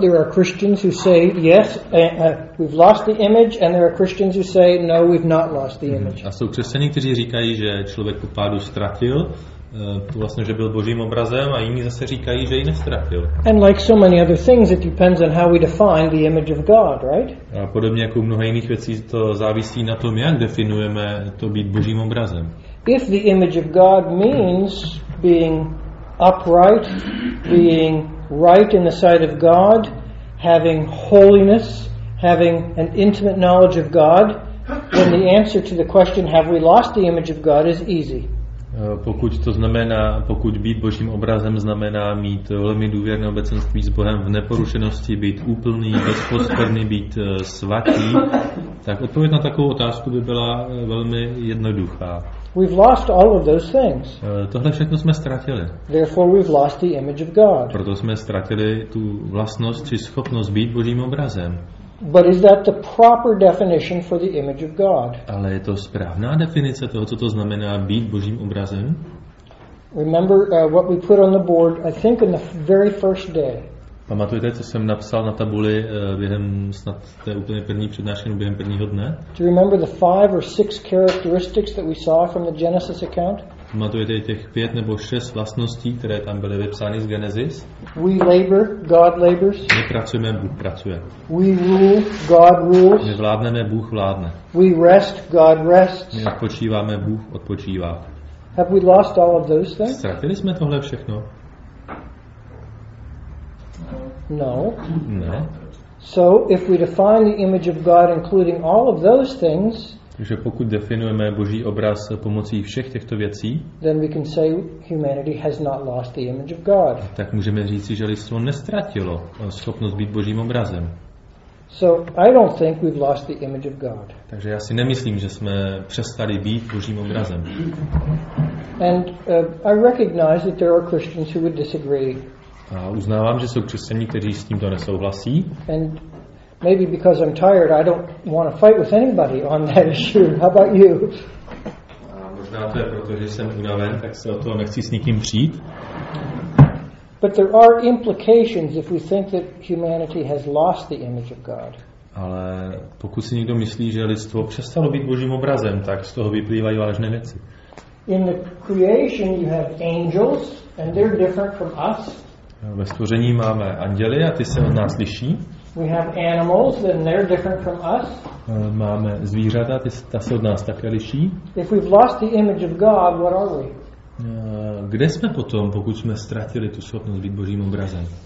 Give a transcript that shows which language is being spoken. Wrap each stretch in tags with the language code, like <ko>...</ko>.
<en>There are Christians who say, yes, we've lost the image, and there are Christians who say, no, we've not lost the image.</en> <cs>A jsou křesťané, kteří říkají, že člověk po pádu ztratil tu vlastně, že byl Božím obrazem, a jiní zase říkají, že ji nestratil.</cs> <en>And like so many other things, it depends on how we define the image of God, right?</en> <cs>A podobně jako mnoho jiných věcí, to závisí na tom, jak definujeme to být Božím obrazem.</cs> <en>If the image of God means being upright, being right in the sight of God, having holiness, having an intimate knowledge of God, then the answer to the question, have we lost the image of God, is easy.</en> <cs>Pokud to znamená, pokud být Božím obrazem znamená mít velmi důvěrné obecenství s Bohem v neporušenosti, být úplný, bezposkvrný, být svatý, tak odpověď na takovou otázku by byla velmi jednoduchá.</cs> <en>We've lost all of those things.</en> <cs>Tohle všechno jsme ztratili.</cs> <en>Therefore we've lost the image of God.</en> <cs>Proto jsme ztratili tu vlastnost či schopnost být Božím obrazem.</cs> <en>But is that the proper definition for the image of God?</en> <cs>Ale je to správná definice toho, co to znamená být Božím obrazem?</cs> <en>Remember what we put on the board, I think in the very first day.</en> <cs>Pamatujete, co jsem napsal na tabuli během snad té úplně první přednášky, během prvního dne?</cs> <en>Do you remember the five or six characteristics that we saw from the Genesis account?</en> <cs>Pamatujete těch pět nebo šest vlastností, které tam byly vypsány z Genesis?</cs> <en>We labor, God labors.</en> <cs>My pracujeme, Bůh pracuje.</cs> <en>We rule, God rules.</en> <cs>My vládneme, Bůh vládne.</cs> <en>We rest, God rests.</en> <cs>My odpočíváme, Bůh odpočívá.</cs> <en>Have we lost all of those things?</en> <cs>Ztratili jsme tohle všechno?</cs> <en>No.</en> <cs>Ne.</cs> <en>So if we define the image of God including all of those things,</en> <cs>takže pokud definujeme Boží obraz pomocí všech těchto věcí,</cs> <en>then we can say humanity has not lost the image of God.</en> <cs>Tak můžeme říci, že lidstvo nestratilo schopnost být Božím obrazem.</cs> <en>So I don't think we've lost the image of God.</en> <cs>Takže já si nemyslím, že jsme přestali být Božím obrazem.</cs> <en>And I recognize that there are Christians who would disagree.</en> <cs>A uznávám, že jsou křesťané, kteří s tímto nesouhlasí.</cs> <en>And maybe because I'm tired, I don't want to fight with anybody on that issue. How about you?</en> <cs>Možná to je proto, že jsem unaven, tak se o to nechci s nikým přijít.</cs> <en>But there are implications if we think that humanity has lost the image of God.</en> <cs>Ale pokud si někdo myslí, že lidstvo přestalo být Božím obrazem, tak z toho vyplývají vážné věci.</cs> <en>In the creation you have angels and they're different from us.</en> <cs>Ve stvoření máme anděly a ty se od nás liší.</cs> <en>We have animals and they're different from us.</en> <cs>Máme zvířata, ta se od nás také liší.</cs> <en>If we've lost the image of God, what are we?</en> <cs>Kde jsme potom, pokud jsme ztratili tu schopnost být Božím obrazem?</cs>